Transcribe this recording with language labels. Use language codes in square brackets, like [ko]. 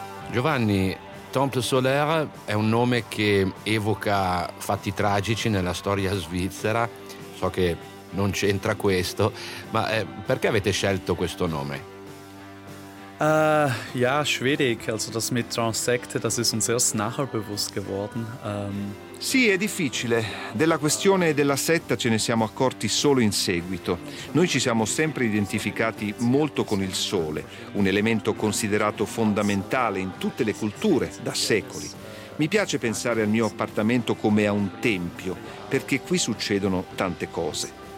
[it] Giovanni, Temple Solaire è un nome che evoca fatti tragici nella storia svizzera. So che non c'entra questo, ma perché avete scelto questo nome? [de] Schwierig. Also das mit Transsekte, das ist uns erst nachher bewusst geworden. [it] Sì, è difficile. Della questione della setta ce ne siamo accorti solo in seguito. Noi ci siamo sempre identificati molto con il sole, un elemento considerato fondamentale in tutte le culture da secoli. Mi piace pensare al mio appartamento come a un tempio, perché qui succedono tante cose.